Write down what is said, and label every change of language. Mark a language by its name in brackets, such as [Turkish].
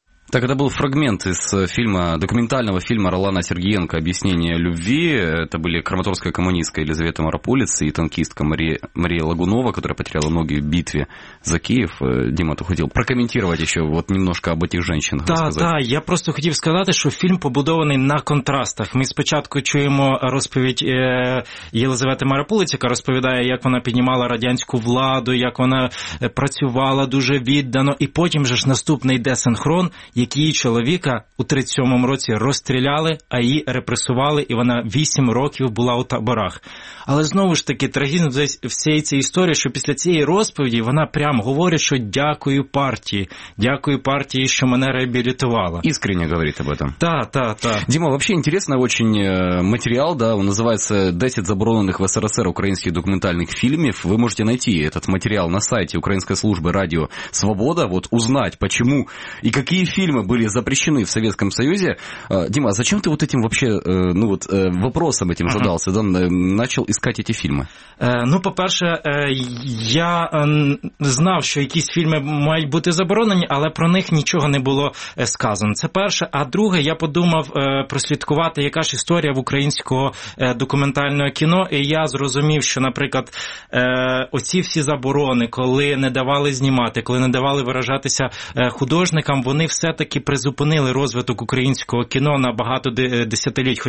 [Russian] Так, это был фрагмент из фильма, документального фильма Ролана Сергиенко «Объяснение любви». Это были краматорская коммунистка Елизавета Марапулец и танкистка Мария Лагунова, которая потеряла ноги в битве за Киев. Дима, ты хотел прокомментировать еще вот немножко об этих женщинах? Да, да, [Ukrainian] я просто хотів сказати, що фільм побудований на контрастах. Ми спочатку чуємо розповідь Єлизавети Марапулець, яка розповідає, як вона піднімала радянську владу, як вона працювала дуже віддано, і потім же ж наступний десинхрон, як її чоловіка у 37-му році розстріляли, а її репресували, і вона 8 років була у таборах. Але знову ж таки, трагізм всієї цієї історії, що після цієї розповіді вона прямо говорить, що дякую партії, що мене реабілітувала. [Russian] Іскренне говорить об этом. [Ukrainian] Так, так, так. Діма, взагалі інтересний дуже матеріал, да, він називається «10 заборонених в СРСР українських документальних фільмів». Ви можете знайти цей матеріал на сайті Української служби радіо «Свобода», от узнати, чому і які [Russian] фильмы были запрещены в Советском Союзе. Дима, а зачем ты вот этим вообще, ну вот, вопросом этим задался, да, начал искать эти фильмы? [Ukrainian] Ну, по-перше, я знав, що якісь фільми мають бути заборонені, але про них нічого не було сказано. Це перше. А друге, я подумав прослідкувати, яка ж історія в українського документального кіно, і я зрозумів, що, наприклад, оці всі заборони, коли не давали знімати, коли не давали виражатися художникам, вони все-таки призупинили розвиток українського кіно на багато десятиліть.